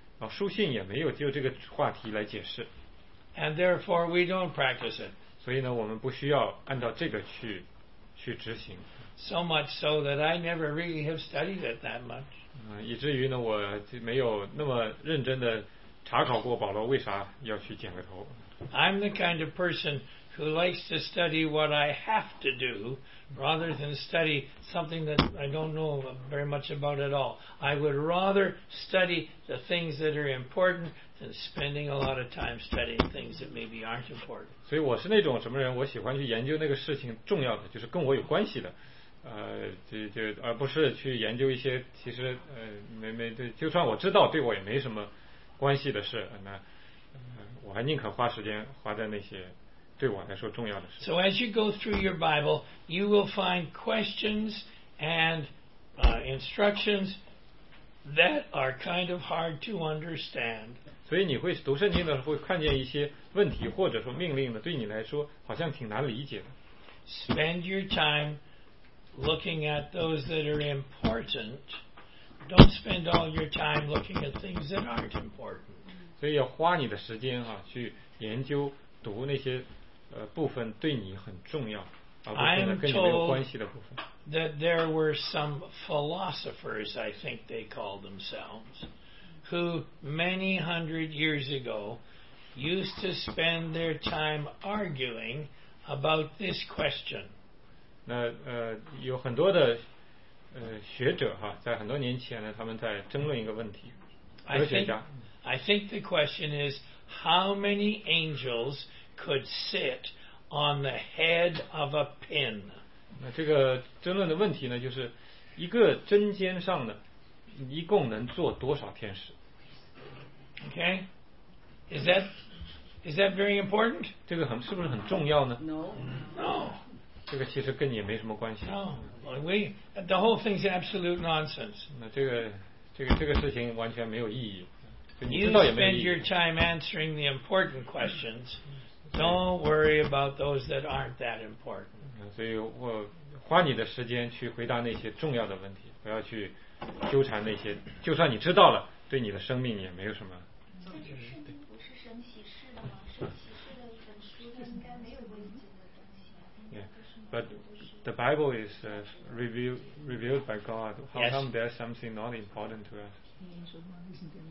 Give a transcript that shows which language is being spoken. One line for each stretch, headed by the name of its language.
Chinese: 书信也没有就这个话题来解释。
English: And therefore we don't practice it.
Chinese: 所以呢，我们不需要按照这个去执行。
English: So much so that I never really have studied it that much.
Chinese: 以至于呢，我没有那么认真的查考过保罗为啥要去剪个头。
English: I'm the kind of person who likes to study what I have to do rather than study something that I don't know very much about at all. I would rather study the things that are important than spending a lot of time studying things that maybe aren't important.
Chinese: 所以我是那种什么人，我喜欢去研究那个事情重要的，就是跟我有关系的，而不是去研究一些其实就算我知道对我也没什么关系的事。我还宁可花时间花在那些对我来说重要的事。
English: So as you go through your Bible, you will find questions and instructions that are kind of hard to understand.
Chinese: 所以你会读圣经的时候会看见一些问题或者说命令的，对你来说好像挺难理解的。
English: Spend your time looking at those that are important. Don't spend all your time looking at things that aren't important.
Chinese: 所以要花你的时间啊，去研究读那些部分对你很重要，而不是跟你没有关系的部分。
English: That there were some philosophers, I think they called themselves, who many hundred years ago used to spend their time arguing about this question.
Chinese: 那有很多的学者哈，在很多年前呢，他们在争论一个问题。科学家。
English: I think the question is how many angels could sit on the head of a pin.
Chinese: 那这个争论的问题呢，就是一个针尖上的，一共能坐多少天使
English: ？Okay, is that very important?
Chinese: 这个很是不是很重要呢
English: ？No.
Chinese: 这个其实跟你也没什么关系。
English: No, the whole thing's absolute nonsense.
Chinese: 那这个事情完全没有意义。
English: You spend your time answering the important questions. Don't worry about those that aren't that important.
Chinese: 所以我花你的时间去回答那些重要的问题，不要去纠缠那些。就算你知道了，对你的生命也没有什么。但是圣经不是神启示的吗？神启示的一本书，它应该没有危险的东西。
English: But the Bible is revealed by God. How come there's something not important to us?